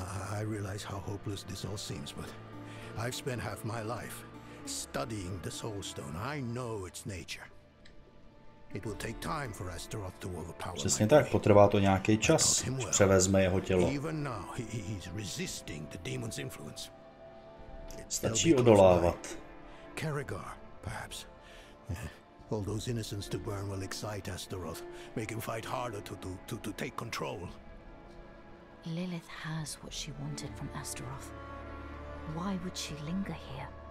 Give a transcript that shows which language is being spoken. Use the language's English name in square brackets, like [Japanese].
[English] I realize how hopeless this all seems, but I've spent half my life studying the Soul Stone. I know its nature. It will take time for Astaroth to overpower. [Czech] Přesně tak, potrvá to nějaký čas, než převezme jeho tělo. [English] Even now, he's resisting the demon's influence. [Czech] Stačí odolávat. [English] Karagar, perhaps. All those innocents to burn will excite Astaroth, make him fight harder to take control. Lilith has what she wanted from Astaroth. Why would she linger here?